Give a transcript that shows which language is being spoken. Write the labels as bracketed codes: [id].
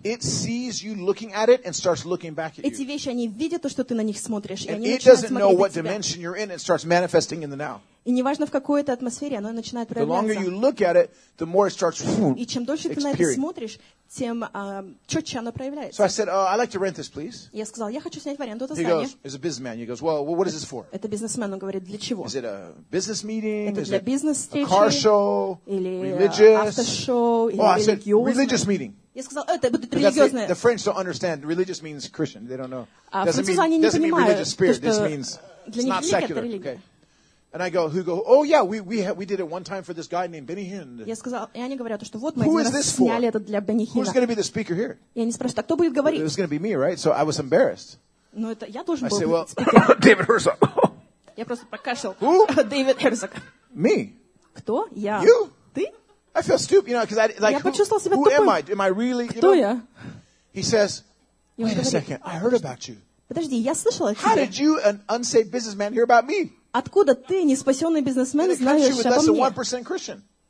[en] it sees you looking at it and starts looking back at you. [ru] Эти вещи, они видят то, что ты на них смотришь, и они начинают смотреть на тебя. [en] It doesn't know what dimension you're in and starts manifesting in the now. [ru] И неважно, в какой это атмосфере, оно начинает проявляться. [en] The longer you look at it, the more it starts. [ru] И чем дольше ты на это смотришь, тем четче оно проявляется. [en] So I said, I'd like to rent this, please. [ru] Я сказал, я хочу снять в аренду это [en] здание. He goes, it's a businessman. He goes, well, what is this for? [ru] Это бизнесмен, он говорит, для чего? [en] Is it a business meeting? [ru] Это для бизнес-встречи? [en] Car show? [ru] Или [en] religious? [ru] Автошоу? [en] Oh, I said, religious meeting. [ru] Я сказал, это будет религиозное. [en] The French don't understand. Religious means Christian. They don't know. [ru] Французы они не понимают. [en] Doesn't mean religious spirit. This means it's not secular. And I go, who go, oh yeah, we did it one time for this guy named Benny Hinn. [ru] Я сказал, и они говорят, что вот мы сняли это для Бенни Хинна. [en] Who's going to be the speaker here? [ru] И они спрашивают, кто будет говорить? [en] It was going to be me, right? So I was embarrassed. [ru] Но это я должен был. [en] I said, well, David Herzog. [ru] Я просто прокашлял. [en] Who? David Herzog. Me. [ru] Кто? Я. [en] You. [ru] Ты? [en] I feel stupid, you know, because I like. [ru] Я почувствовал себя [en] тупым. Who am I? Am I really? [ru] Кто я? [en] He says, wait a second, I heard about you. [ru] Подожди, я слышал о тебе. [en] How did you, an unsaved businessman, hear about me? [ru] Откуда ты, неспасенный бизнесмен, знаешь обо мне?